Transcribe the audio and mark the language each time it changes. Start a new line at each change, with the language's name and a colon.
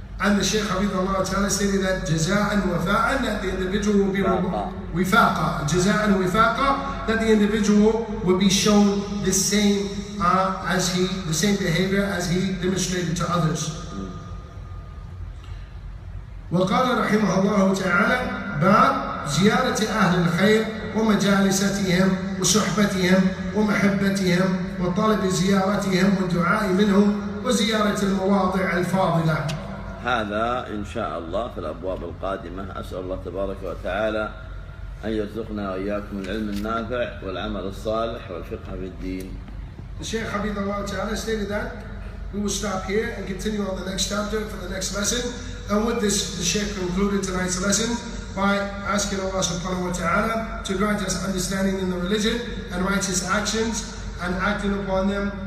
English: And the Shaykh Hafidhullah Ta'ala stated that jaza'an wafa'an, that the individual will be wifaqa. Jaza'an wifaqa, that the individual will be shown the same behavior as he demonstrated to others.
Arabic: وقال رحمه الله تعالى باب زيارة أهل الخير ومجالستهم وصحبتهم ومحبتهم وطلب زيارتهم والدعاء منهم وزيارة المواضع الفاضلة. هذا إن شاء الله في الأبواب القادمة. أسأل الله تبارك وتعالى أن يرزقنا وإياكم العلم النافع والعمل الصالح والفقه في الدين. الشيخ حبيب الله تعالى
English: stated that we will stop here and continue on the next chapter for the next lesson. And with this, the Shaykh concluded tonight's lesson by asking Allah subhanahu wa ta'ala to grant us understanding in the religion and righteous actions and acting upon them.